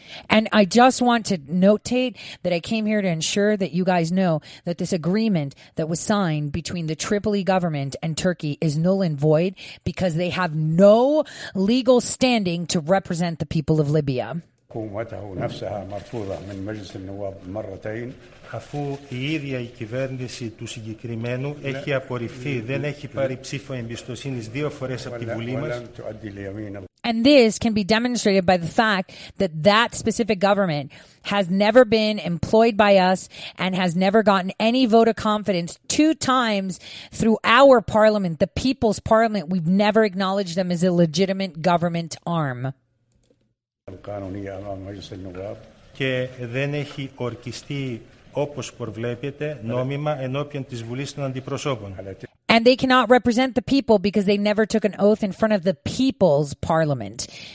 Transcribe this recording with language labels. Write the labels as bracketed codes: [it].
[en] And I just want to notate that I came here to ensure that you guys know that this agreement that was signed between the Tripoli government and Turkey is null and void because they have no legal standing to represent the people of Libya. [el] Αφού η ίδια η κυβέρνηση του συγκεκριμένου έχει απορριφθεί, δεν έχει πάρει ψήφο εμπιστοσύνης δύο φορές από τη Βουλή μας. [en] And this can be demonstrated by the fact that that specific government has never been employed by us and has never gotten any vote of confidence two times through our parliament, the People's Parliament. We've never acknowledged them as a legitimate government arm. [el] Και δεν έχει ορκιστεί όπως προβλέπεται νόμιμα ενώπιον της Βουλής των Αντιπροσώπων. [en] And they cannot represent the people because they never took an oath in front of the People's Parliament.